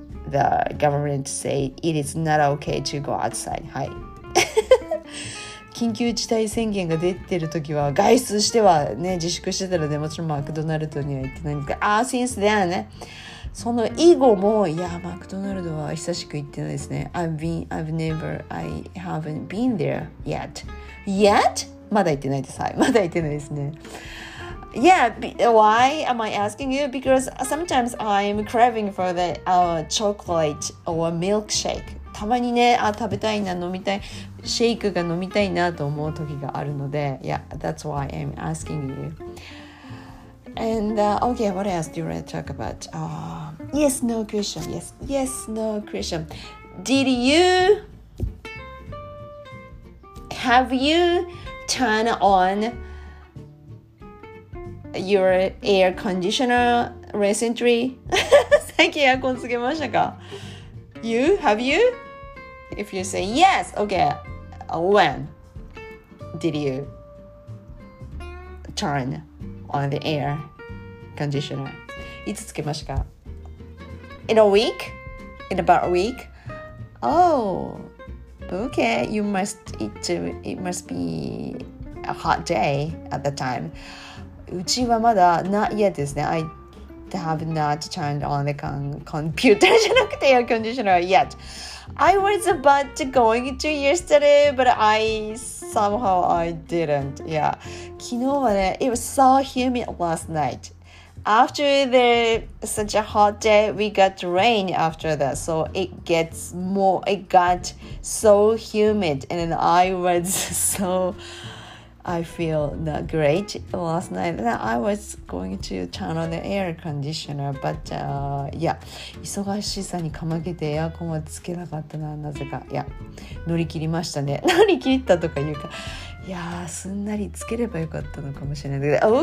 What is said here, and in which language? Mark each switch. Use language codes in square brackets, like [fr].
[en] The government say it is not okay to go outside. [ja] はい。緊急事態宣言が出てるときは外出してはね自粛してたらねもちろんマクドナルドには行ってないんですが、 [en] since then [ja] ね。その以後もいやマクドナルドは久しく行ってないですね。 [en] I haven't been there yet. Yet? [ja] まだ行ってないです。はい。まだ行ってないですね。 [en] Yeah, why am I asking you? Because sometimes I'm craving for the chocolate or milkshake. [ja] たまにね、あ、食べたいな、飲みたい、シェイクが飲みたいなと思う時があるので、 [en] Yeah, that's why I'm asking you. And okay, what else do you want to talk about? Yes, no question. Yes, no question. Did you have you turn on? Your air conditioner recently? [ja] 最近エアコンつけましたか? [en] You? Have you? If you say yes, okay. When did you turn on the air conditioner? [ja] いつつけましたか? [en] In a week? In about a week? Oh, okay. It must be a hot day at the time. [ja] うちはまだ [en] not yet [ja] ですね。I [en] They have not turned on the computer [ja] じゃなくて [en] air conditioner yet. I was about to going to yesterday, but I didn't. Yeah. [ja] 昨日はね、 [en] it was so humid last night. After the such a hot day, we got rain after that. So it got so humid and I was so... I feel not great last night that I was going to turn on the air conditioner, but yeah, [ja] 忙しさにかまけてエアコンはつけなかったな、なぜか。いや、乗り切りましたね。乗り切ったとか言うか。いやー、すんなりつければよかったのかもしれないけど。